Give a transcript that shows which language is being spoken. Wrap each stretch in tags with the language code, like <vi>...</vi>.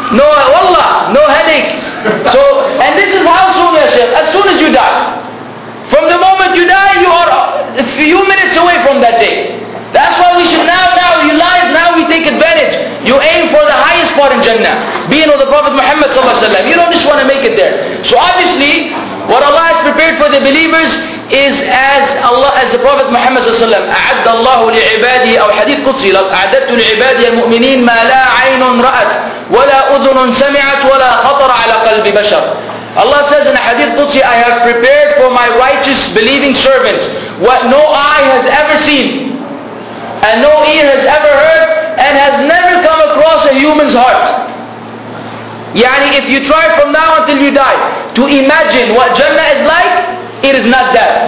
<en>No, wallah, no headache. So, and this is how soon, ya Shaykh, as soon as you die. From the moment you die, you are a few minutes away from that day. That's why we should now you live, now we take advantage. You aim for the highest part in Jannah, being with the Prophet Muhammad sallallahu alaihi wasallam. You don't just want to make it there. So obviously, what Allah has prepared for the believers is as the Prophet Muhammad sallallahu alaihi wasallam,</en> <ar>أعد الله لعباده أو حديث قدسي أعددت لعبادي المؤمنين ما لا عين رأت ولا أذن سمعت ولا خطر على قلب بشر.</ar> <en>Allah says in a hadith qudsi, I have prepared for my righteous believing servants what no eye has ever seen and no ear has ever heard and has never come across a human's heart. Yani if you try from now until you die to imagine what Jannah is like, it is not that.</en>